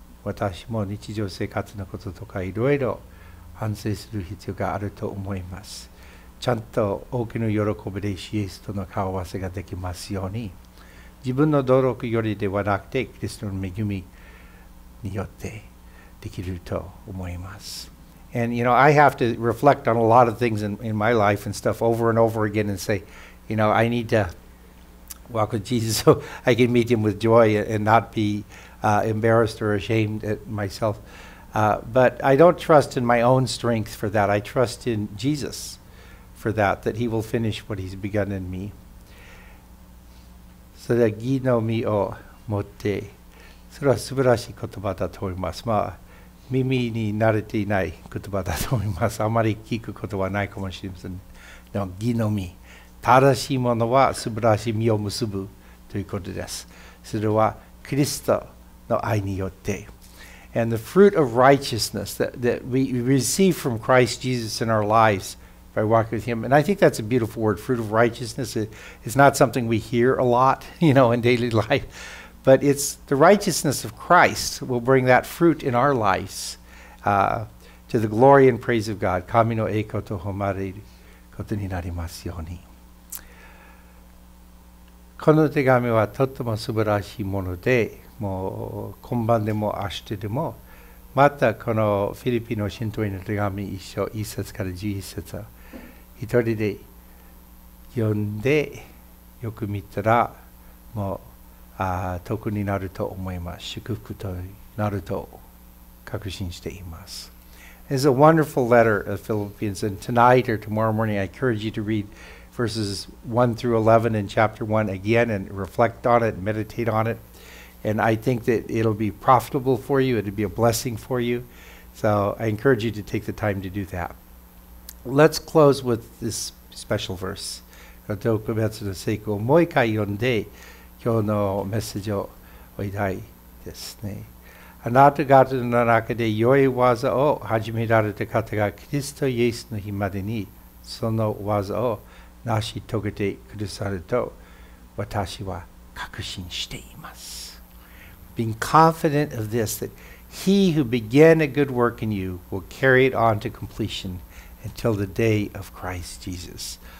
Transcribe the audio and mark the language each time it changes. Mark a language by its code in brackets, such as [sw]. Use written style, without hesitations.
[ja] 私も日常生活のこととかいろいろ反省する必要があると思います。ちゃんと大きな喜びでイエスとの顔合わせができますように、自分の努力よりではなくてキリストの恵みによってできると思います。 [en] And you know, I have to reflect on a lot of things in my life and stuff over and over again and say, you know, I need to walk with Jesus so I can meet Him with joy and not be embarrassed or ashamed at myself. But I don't trust in my own strength for that. I trust in Jesus. For that He will finish what He's begun in me. [ja] それは義の実を持って、それは素晴らしい言葉だと思います。まあ耳に慣れていない言葉だと思います。あまり聞くことはないかもしれません。でも義の実、正しいものは素晴らしい実を結ぶということです。それはキリストの愛によって、 [en] And the fruit of righteousness that we receive from Christ Jesus in our lives. By walking with Him. And I think that's a beautiful word, fruit of righteousness. It's not something we hear a lot, you know, in daily life. But it's the righteousness of Christ will bring that fruit in our lives to the glory and praise of God. [ja] 神の栄光と誉れることになりますように。この手紙はとても素晴らしいもので、もう今晩でも明日でも、またこのフィリピの信徒への手紙一章一節から十一節を一人で読んでよく見たらもう得になると思います。祝福となると確信しています。 [en] It's a wonderful letter of Philippians, and tonight or tomorrow morning I encourage you to read verses 1 through 11 in chapter 1 again and reflect on it, meditate on it. And I think that it'll be profitable for you, it'll be a blessing for you. So I encourage you to take the time to do that. Let's close with this special verse. [ja] この特別の聖句をもう一回読んで、今日のメッセージを終えたいですね。あなた方の中で良い業を始められた方が、キリストイエスの日までに、その業を成し遂げてくださると、私は確信しています。 [en] Being confident of this, that He who began a good work in you will carry it on to completion until the day of Christ Jesus.